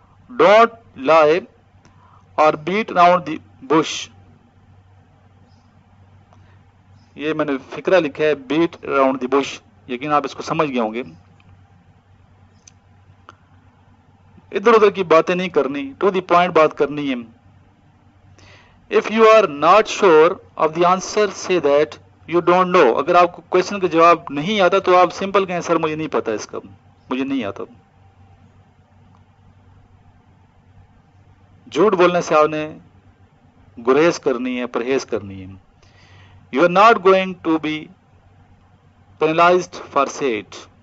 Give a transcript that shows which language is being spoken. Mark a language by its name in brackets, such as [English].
[English] Don't lie اور beat round the bush. [Urdu] یہ میں نے فکرہ لکھا ہے [English] beat round the bush, [Urdu] یقین آپ اس کو سمجھ گئے ہوں گے. ادھر ادھر کی باتیں نہیں کرنی، [English] to the point [Urdu] بات کرنی ہے. [English] If you are not sure of the answer, say that you don't know. [Urdu] اگر آپ کو کوشچن کا جواب نہیں آتا تو آپ سمپل کہیں سر مجھے نہیں پتا اس کا، مجھے نہیں آتا. جھوٹ بولنے سے آپ نے گریز کرنی ہے، پرہیز کرنی ہے. [English] You are not going to be penalized for it.